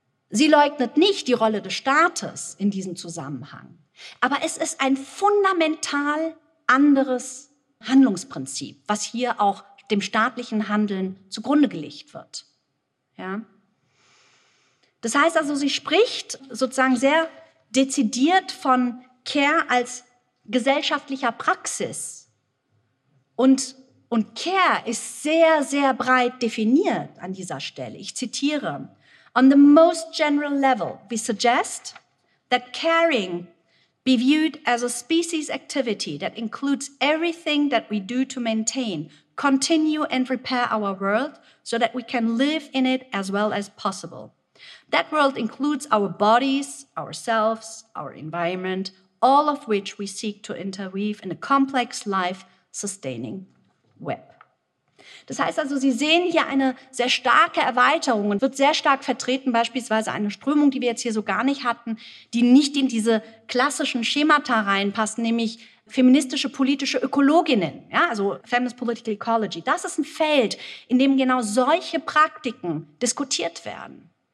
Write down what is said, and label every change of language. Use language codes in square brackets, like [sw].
[de] Sie leugnet nicht die Rolle des Staates in diesem Zusammenhang, aber es ist ein fundamental anderes Handlungsprinzip, was hier auch dem staatlichen Handeln zugrunde gelegt wird. Ja? Das heißt also, sie spricht sozusagen sehr dezidiert von Care als gesellschaftlicher Praxis und Care ist sehr, sehr breit definiert an dieser Stelle. Ich zitiere: [en] On the most general level, we suggest that caring be viewed as a species activity that includes everything that we do to maintain, continue and repair our world so that we can live in it as well as possible. That world includes our bodies, ourselves, our environment, all of which we seek to interweave in a complex life-sustaining web. [de] Das heißt also, Sie sehen hier eine sehr starke Erweiterung und wird sehr stark vertreten, beispielsweise eine Strömung, die wir jetzt hier so gar nicht hatten, die nicht in diese klassischen Schemata reinpasst, nämlich feministische politische Ökologinnen, ja, also Feminist Political Ecology. Das ist ein Feld, in dem genau solche Praktiken diskutiert werden.